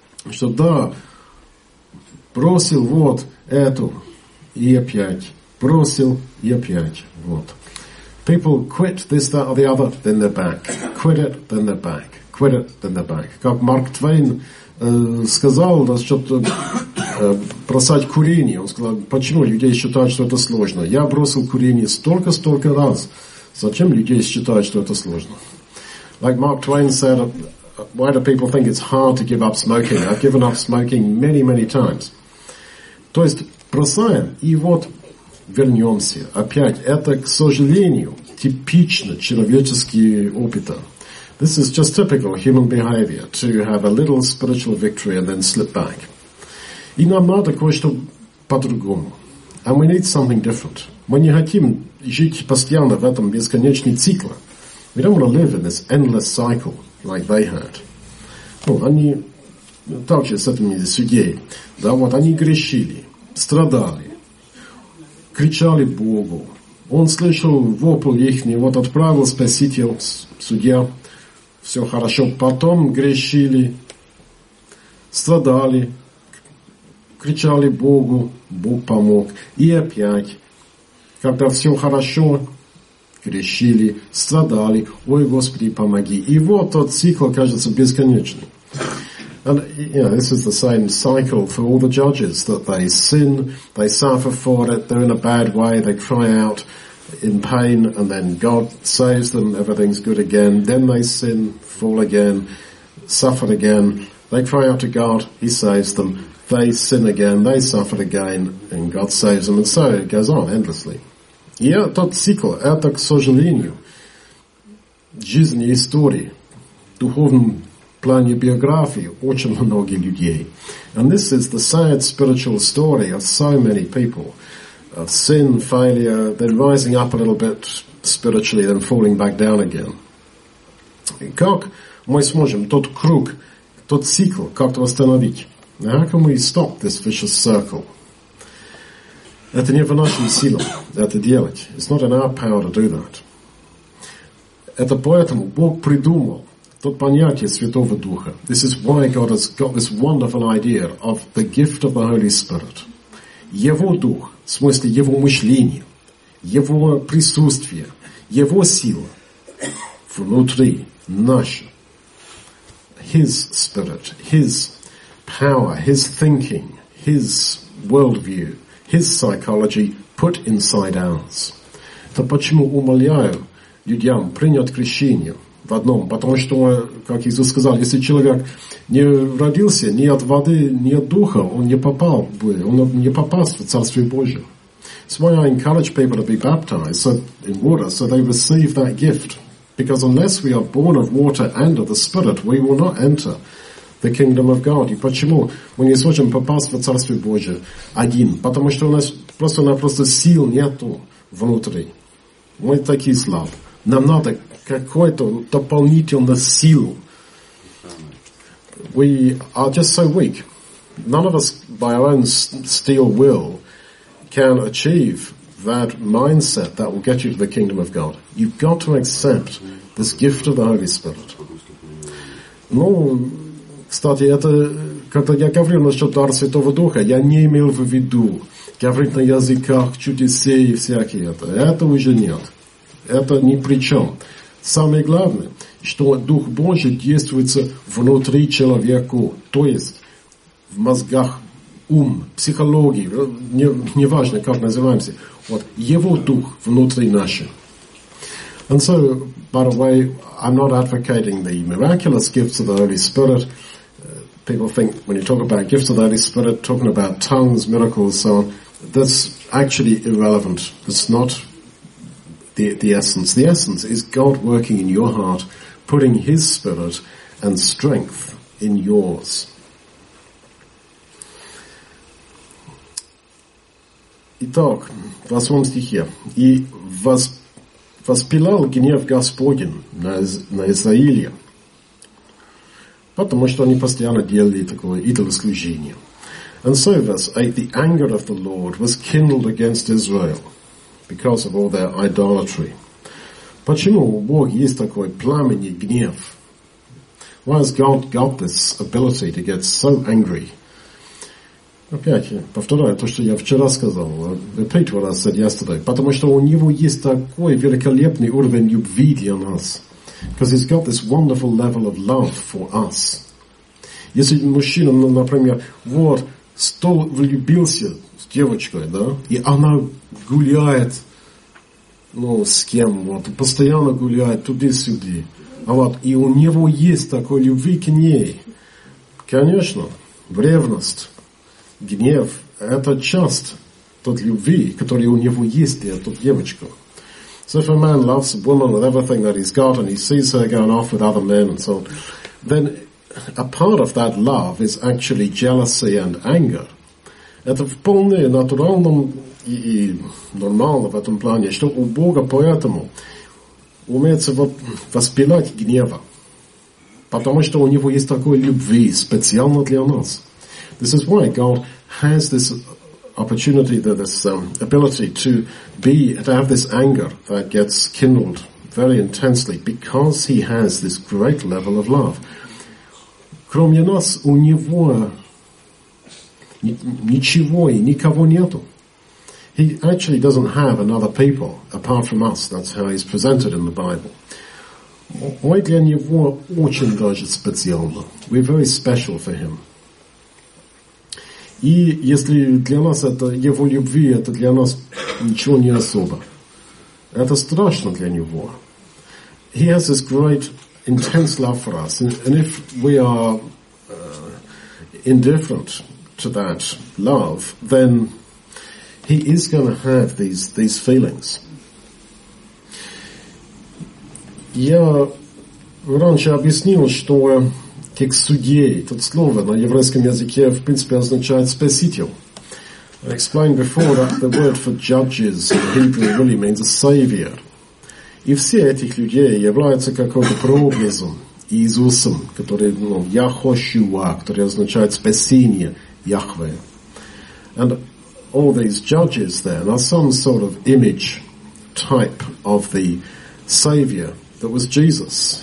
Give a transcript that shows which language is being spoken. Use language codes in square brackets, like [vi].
[ru] Что да, бросил вот эту, и опять. Бросил и опять. Вот. [en] People quit this, that or the other, then they're back. Quit it, then they're back. Quit it, then they're back. [ru] Как Марк Твейн сказал насчет бросать курение. Он сказал, почему люди считают, что это сложно? Я бросил курение столько-столько раз. Зачем люди считают, что это сложно? [en] Like Марк Твейн said, why do people think it's hard to give up smoking? I've given up smoking many, many times. [ru] То есть бросаем, и вот вернемся. Опять. Это, к сожалению, типично человеческие опыта. [en] This is just typical human behavior, to have a little spiritual victory and then slip back. [ru] И нам надо кое-что по-другому. [en] And we need something different. [ru] Мы не хотим жить постоянно в этом бесконечном цикле. [en] We don't want to live in this endless cycle like they had. [ru] Ну, они также с этими судьей. Да, вот они грешили, страдали, кричали Богу. Он слышал вопль их, вот отправил спаситель, судья. Все хорошо. Потом грешили, страдали, кричали Богу, Бог помог. И опять, когда все хорошо, грешили, страдали, ой, Господи, помоги. И вот тот цикл кажется бесконечным. [en] And, you know, this is the same cycle for all the judges, that they sin, they suffer for it, they're in a bad way, they cry out in pain, and then God saves them, everything's good again. Then they sin, fall again, suffer again, they cry out to God, he saves them, they sin again, they suffer again, and God saves them, and so it goes on endlessly. [ru] И этот цикл, это, к сожалению, жизнь и история, духовный плане биографии очень многих людей. [en] And this is the sad spiritual story of so many people. Of sin, failure, then rising up a little bit spiritually, then falling back down again. [ru] Как мы сможем тот круг, тот цикл как-то восстановить? [en] Now, how can we stop this vicious circle? [ru] Это не в нашей силе это делать. [en] It's not in our power to do that. [ru] Это поэтому Бог придумал тот понятие Святого Духа. [en] This is why God has got this wonderful idea of the gift of the Holy Spirit. [ru] Его Дух, в смысле Его мышления, Его присутствие, Его сила внутри, наша. [en] His Spirit, His power, His thinking, His worldview, His psychology put inside ours. [ru] Это почему умоляю людям принять крещение в одном, потому что, как Иисус сказал, если человек не родился ни от воды, ни от духа, он не попал бы, он не попал в Царствие Божие. [en] That's why I encourage people to be baptized in water, so they receive that gift. Because unless we are born of water and of the Spirit, we will not enter the kingdom of God. [ru] И почему мы не сможем попасть в Царствие Божие один? Потому что у нас просто-напросто сил нету внутри. Мы такие слабы. Нам надо какой-то дополнительный силу. [en] We are just so weak. None of us, by our own steel will, can achieve that mindset that will get you to the kingdom of God. You've got to accept this gift of the Holy Spirit. [ru] Ну, кстати, это, когда я говорю насчет дара Святого Духа, я не имел в виду говорить на языках, чудеса и всякие это. Это уже нет. Это ни при чем. Самое главное, что Дух Божий действует внутри человека, то есть в мозгах, ум, психологии, неважно, как называемся. Вот Его Дух внутри нашего. [en] And so, by the way, I'm not advocating the miraculous gifts of the Holy Spirit. People think when you talk about gifts of the Holy Spirit, talking about tongues, miracles, so on, that's actually irrelevant. It's not the essence. The essence is God working in your heart, putting His Spirit and strength in yours. [ru] Итак, в 8 стихе. И воспылал гнев Господень на Израиле, потому что они постоянно делали такое идолослужение. [en] And so, verse 8, the anger of the Lord was kindled against Israel because of all their idolatry. [ru] Почему у Бога есть такой пламенный гнев? [en] Why has God got this ability to get so angry? [ru] Опять, повторяю то, что я вчера сказал. [en] Repeat what I said yesterday. [ru] Потому что у Него есть такой великолепный уровень любви для нас. [en] Because He's got this wonderful level of love for us. [ru] Если мужчина, например, вот, стол влюбился с девочкой, да, и она гуляет, ну, с кем, вот, постоянно гуляет туди-сюди. А вот, и у него есть такой любви к ней. Конечно, ревность, гнев, это часть той любви, которая у него есть для этой девочки. [en] So if a man loves a woman with everything that he's got and he sees her going off with other men and so on, then a part of that love is actually jealousy and anger. [ru] Это вполне натуральным и нормально в этом плане, что у Бога поэтому умеется воспылать гнева, потому что у него есть такой любви специально для нас. [en] This is why God has this opportunity, this ability to have this anger that gets kindled very intensely because he has this great level of love. [ru] Кроме нас, у него ничего и никого нету. [en] He actually doesn't have another people apart from us. That's how he's presented in the Bible. [ru] Мы для него очень даже специально. [en] We're very special for him. [ru] И если для нас это его любви, это для нас ничего не особо. Это страшно для него. [en] He has this great intense love for us. And if we are indifferent to that love, then he is going to have these feelings. [ru] Я раньше объяснил, что как судей, тут слово на еврейском языке в принципе означает спаситель. [en] I explained before that the word for judges in Hebrew really means a savior. [ru] И все этих людей являются какой-то прообразом Иисусом, который, ну, Яхошуа, который означает спасение, Яхве. [en] And all these judges there are some sort of image type of the savior that was Jesus.